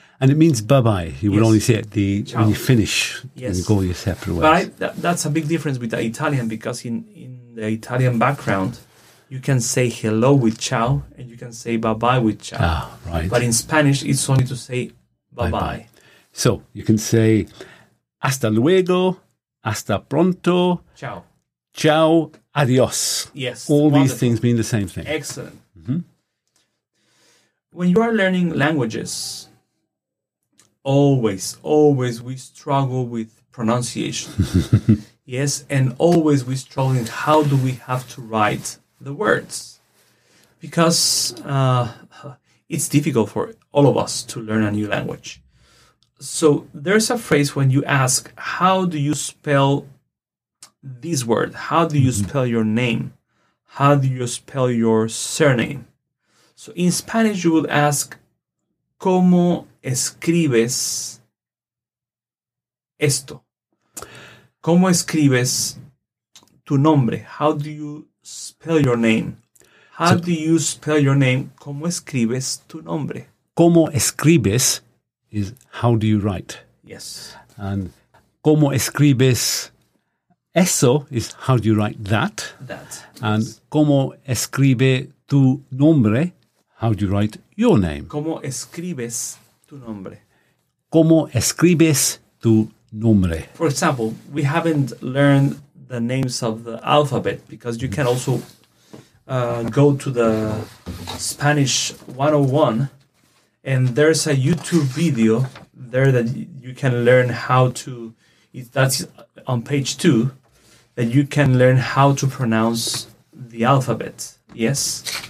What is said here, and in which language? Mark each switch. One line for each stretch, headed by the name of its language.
English: And it means bye-bye. You would only say it when you finish. Yes. And you go your separate ways. But that's a big difference with the Italian, because in the Italian background, you can say hello with ciao and you can say bye-bye with ciao. Ah, right. But in Spanish, it's only to say bye-bye. Bye-bye. So you can say
Spanish: hasta luego, hasta pronto.
Italian: Ciao.
Spanish: Ciao, adios.
English: Yes. All these things mean the same thing. Excellent. Mm-hmm. When you are learning languages, always we struggle with pronunciation. Yes, and always we struggle in how do we have to write the words. Because it's difficult for all of us to learn a new language. So there's a phrase when you ask, how do you spell this word? How do you spell your name? How do you spell your surname? So in Spanish, you would ask,
Spanish: ¿cómo escribes esto? ¿Cómo escribes tu nombre?
English: How do you spell your name? How do you spell your name?
Spanish: ¿Cómo escribes tu nombre? ¿Cómo escribes
English: is how do you write? Yes. And
Spanish: ¿cómo escribes eso
English: is how do you write that? That.
Spanish: And ¿cómo escribe tu nombre?
English: How do you write your name?
Spanish: ¿Cómo escribes tu nombre? ¿Cómo escribes tu nombre?
English: For example, we haven't learned the names of the alphabet because you can also go to the Spanish 101 and there's a YouTube video there that you can learn how to, that's on page 2, that you can learn how to pronounce the alphabet. Yes.